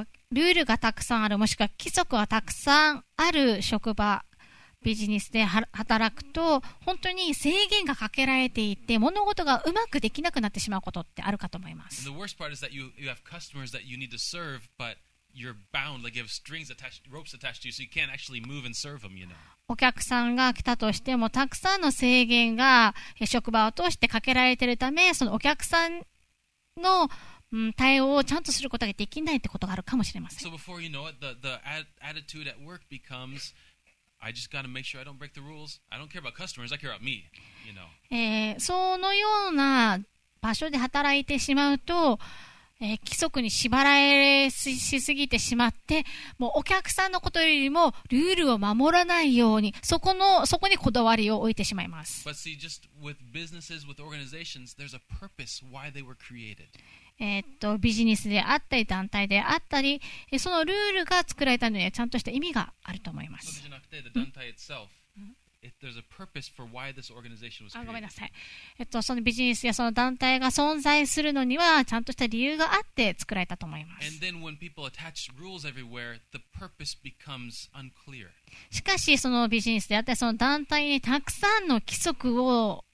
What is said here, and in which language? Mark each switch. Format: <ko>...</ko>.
<ja>ルールがたくさんある、もしくは規則がたくさんある職場、ビジネスで働くと、本当に制限がかけられていて、物事がうまくできなくなってしまうことってあるかと思います。</ja> <en>And the worst part is that you have customers that you need to serve, but you're bound, like you have strings attached, ropes attached to you, so you can't actually move and serve them, you know.</en> <ja>お客さんが来たとしてもたくさんの制限が職場を通してかけられているためそのお客さんの、対応をちゃんとすることができないってことがあるかもしれません。</ja> <en>So before you know it, the attitude at work becomes I just gotta make sure I don't break the rules. I don't care about customers, I care about me, you know.</en> <ja>そのような場所で働いてしまうと規則に縛られしすぎてしまってもうお客さんのことよりもルールを守らないようにそこにこだわりを置いてしまいます。</ja> <en>But see, just with businesses, with organizations, there's a purpose why they were created.</en> <ja>ビジネスであったり団体であったりそのルールが作られたのにはちゃんとした意味があると思います。それじゃなくて、</ja> <en>the 団体 itself. If there's a purpose for why this organization was created.</en> <ja>ごめんなさい。そのビジネスやその団体が存在するのにはちゃんとした理由があって作られたと思います。</ja> <en>And then when people attach rules everywhere, the purpose becomes unclear.</en> <ja>しかしそのビジネスであったりその団体にたくさんの規則を</ja>